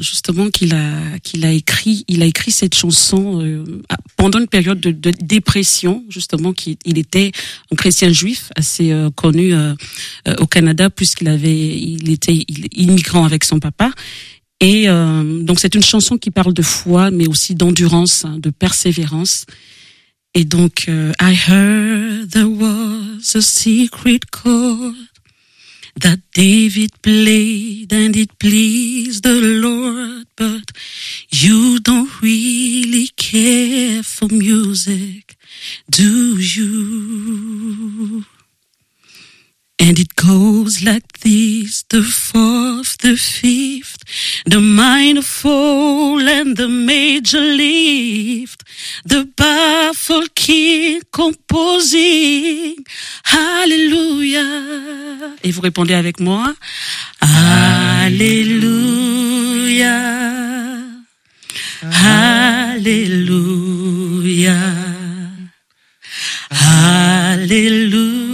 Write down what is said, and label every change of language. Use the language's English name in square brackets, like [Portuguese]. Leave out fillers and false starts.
[French] Justement, qu'il a écrit cette chanson pendant une période de dépression. Justement, qu'il était un chrétien juif assez connu au Canada, puisqu'il avait, il était immigrant avec son papa. Et donc, c'est une chanson qui parle de foi, mais aussi d'endurance, hein, de persévérance. Et donc, [English] I heard there was a secret chord that David played and it pleased the Lord, but you don't really care for music, do you? And it goes like this, the fourth, the fifth, the minor fall and the major lift, the baffled king composing, hallelujah. [French] Et vous répondez avec moi, hallelujah, hallelujah, hallelujah.